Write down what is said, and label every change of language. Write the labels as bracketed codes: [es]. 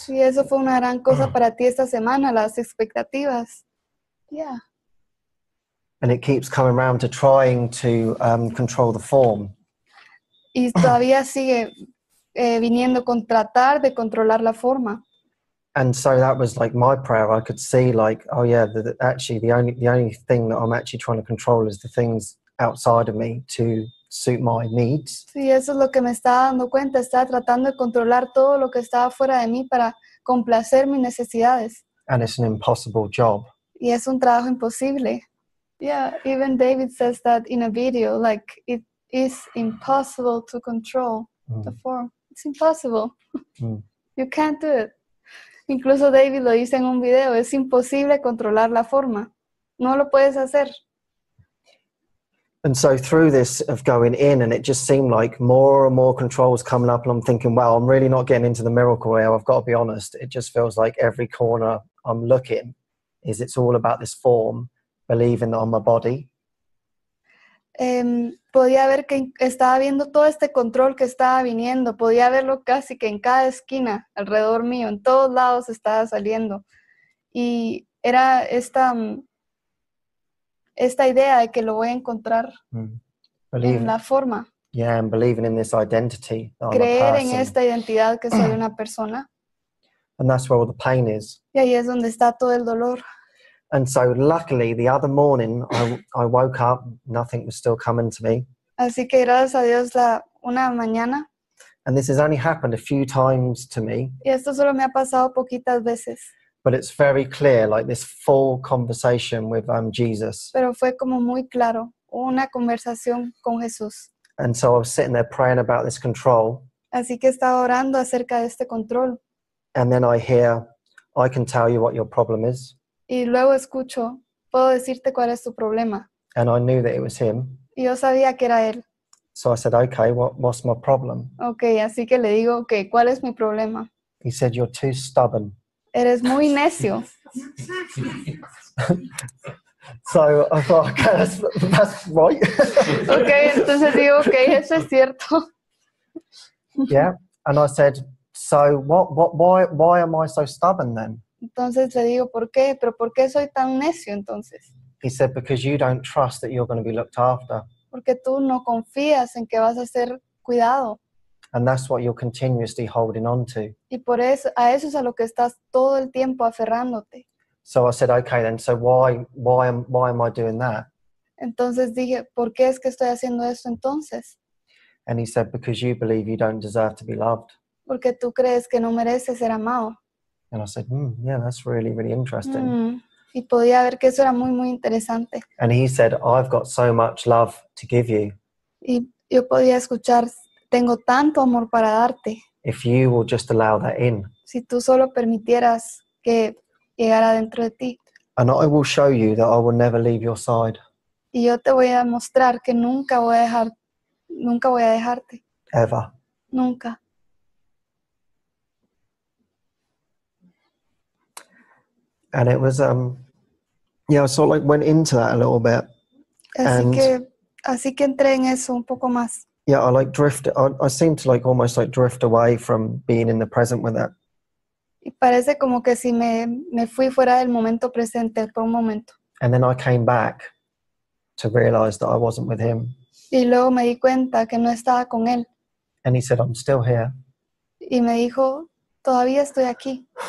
[es] Sí, eso fue una gran cosa para ti esta semana, las expectativas. [en] Yeah. And it keeps coming around to trying to control the form. [es] Y todavía sigue viniendo con tratar de controlar la forma. [en] And so that was like my prayer. I could see like, oh yeah, the only thing that I'm actually trying to control is the things outside of me to suit my needs. [es] Sí, eso es lo que me estaba dando cuenta. Estaba tratando de controlar todo lo que estaba fuera de mí para complacer mis necesidades. [en] And it's an impossible job. [es] Y es un trabajo imposible. [en] Yeah, even David says that in a video, like, it is impossible to control the form. It's impossible. You can't do it. [es] Incluso David lo dice en un video, es imposible controlar la forma. No lo puedes hacer. [en] And so through this of going in, and it just seemed like more and more controls coming up, and I'm thinking, wow, I'm really not getting into the miracle realm. I've got to be honest. It just feels like every corner I'm looking is it's all about this form. Believing that on my body. [es] Podía ver que estaba viendo todo este control que estaba viniendo. Podía verlo casi que en cada esquina alrededor mío, en todos lados estaba saliendo. Y era esta idea de que lo voy a encontrar en la forma. [en] Yeah, and believing in this identity. [es] Creer en esta identidad que soy una persona. [en] And that's where all the pain is. [es] Y ahí es donde está todo el dolor. [en] And so luckily, the other morning, I woke up, nothing was still coming to me. [es] Así que gracias a Dios, una mañana. [en] And this has only happened a few times to me. [es] Y esto solo me ha pasado poquitas veces. [en] But it's very clear, like this full conversation with Jesus. [es] Pero fue como muy claro, una conversación con Jesús. [en] And so I was sitting there praying about this control. [es] Así que estaba orando acerca de este control. [en] And then I hear, I can tell you what your problem is. [es] Y luego escucho, puedo decirte cuál es tu problema. [en] And I knew that it was him. [es] Y yo sabía que era él. [en] So I said, okay, what's my problem? [es] Okay, así que le digo, okay, ¿cuál es mi problema? [en] He said, you're too stubborn. [es] Eres muy necio. [en] So I thought, okay, that's right. [es] Okay, entonces digo, okay, eso es cierto. [en] Yeah, and I said, so why am I so stubborn then? [es] Entonces le digo, ¿por qué? ¿Pero por qué soy tan necio entonces? [en] He said, because you don't trust that you're going to be looked after. [es] Porque tú no confías en que vas a ser cuidado. [en] And that's what you're continuously holding on to. [es] Y por eso, a eso es a lo que estás todo el tiempo aferrándote. [en] So I said, okay then, so why am I doing that? [es] Entonces dije, ¿por qué es que estoy haciendo esto entonces? [en] And he said, because you believe you don't deserve to be loved. [es] Porque tú crees que no mereces ser amado. [en] And I said, yeah, that's really, really interesting. [es] Y podía ver que eso era muy, muy interesante. [en] And he said, I've got so much love to give you. [es] Y yo podía escuchar, tengo tanto amor para darte. [en] If you will just allow that in. [es] Si tú solo permitieras que llegara dentro de ti. [en] And I will show you that I will never leave your side. [es] Y yo te voy a mostrar que nunca voy a dejarte. [en] Ever. [es] Nunca. [en] And it was, I sort of like went into that a little bit. [es] Así que entré en eso un poco más. [en] Yeah, I like drifted, I seemed to like almost like drift away from being in the present with that. [es] Y parece como que si me fui fuera del momento presente por un momento. [en] And then I came back to realize that I wasn't with him. [es] Y luego me di cuenta que no estaba con él. [en] And he said, I'm still here. [es] Y me dijo, todavía estoy aquí.